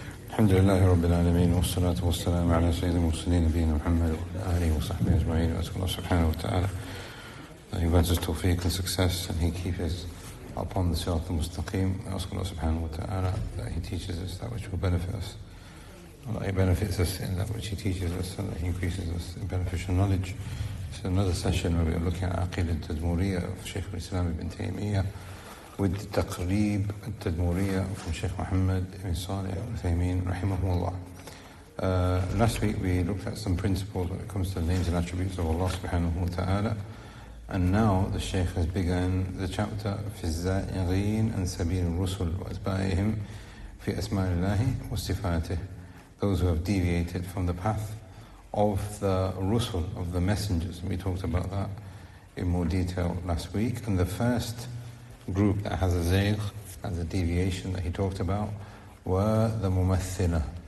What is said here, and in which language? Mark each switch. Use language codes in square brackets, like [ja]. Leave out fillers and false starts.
[ar] الحمد لله رب العالمين والصلاة والسلام على سيد المرسلين نبينا محمد وعلى آله وصحبه أجمعين وأسأل الله سبحانه وتعالى [en] that he grants us tawfiq and success and he keeps us upon the sirat al-mustaqim. I ask Allah subhanahu wa ta'ala that he teaches us that which will benefit us. Allah, he benefits us in that which he teaches us and that he increases us in beneficial knowledge. So another session where we are looking at Al-Aqeedah at-Tadmuriyyah of Shaykh al-Islam ibn Taymiyyah with Taqreeb at-Tadmuriyyah from Shaykh Muhammad ibn Salih al-Thaymin rahimahullah. Last week we looked at some principles when it comes to the names and attributes of Allah subhanahu wa ta'ala. And now the Shaykh has begun the chapter [ar] في الزائغين أن سبيل الرسل وأتباعهم في أسماء الله وصفاته. [en] Those who have deviated from the path of the rusul, of the messengers. And we talked about that in more detail last week. And the first group that has a zaygh, has a deviation that he talked about, were the mumathilah.